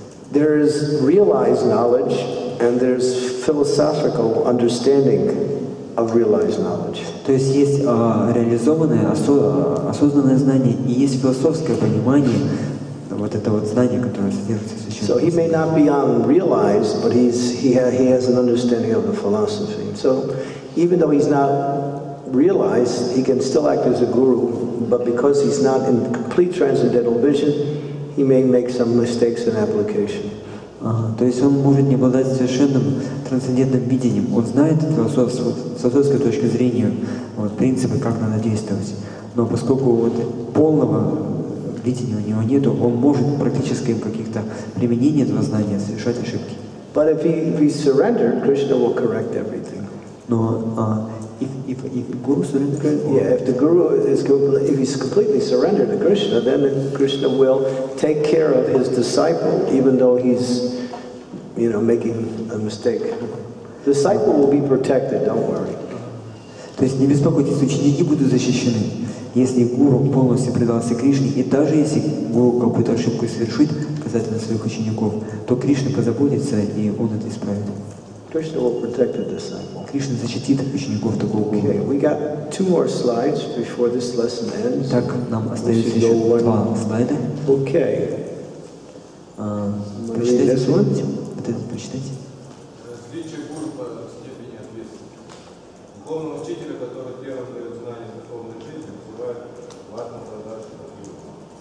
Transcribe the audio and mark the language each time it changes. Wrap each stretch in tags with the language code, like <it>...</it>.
<en>There is realized knowledge and there is philosophical understanding of realized knowledge.</en> <ru>То есть есть реализованное осознанное знание и есть философское понимание вот этого вот знания, которое содержится в священном.</ru> <en>So he may not be unrealized, but he has an understanding of the philosophy. So even though he's not realize he can still act as a guru, but because he's not in complete transcendental vision, he may make some mistakes in application.</en> <ru>То есть он может не обладать совершенным трансцендентным видением. Он знает философской точки зрения вот принципы, как надо действовать. Но поскольку вот полного видения у него нету, он может практическим каких-то применением этого знания совершать ошибки.</ru> <en>But if he surrendered, Krishna will correct everything.</en> <ru>Но</ru> <en>If guru surrenders, yeah. If the guru is completely surrendered to Krishna, then Krishna will take care of his disciple, even though he's, you know, making a mistake. The disciple will be protected. Don't worry.</en> <ru>То есть не беспокойтесь, ученики будут защищены. Если гуру полностью предался Кришне, и даже если гуру какую-то ошибку совершит касательно своих учеников, то Кришна позаботится и он это исправит.</ru> <en>Krishna will protect the disciple.</en> <ru>Кришна защитит учеников такого гуру.</ru> <en>Okay, we got two more slides before this lesson ends.</en> <ru>Так, нам остается еще два слайда.</ru> <en>Okay.</en> <ru>Прочитайте</ru> <en>this one.</en> <ru>Вот этот прочитайте. Различие гуру по степени ответственности. Духовного учителя, который первым дает знание духовной жизни, называют ватман прадаши гуру.</ru>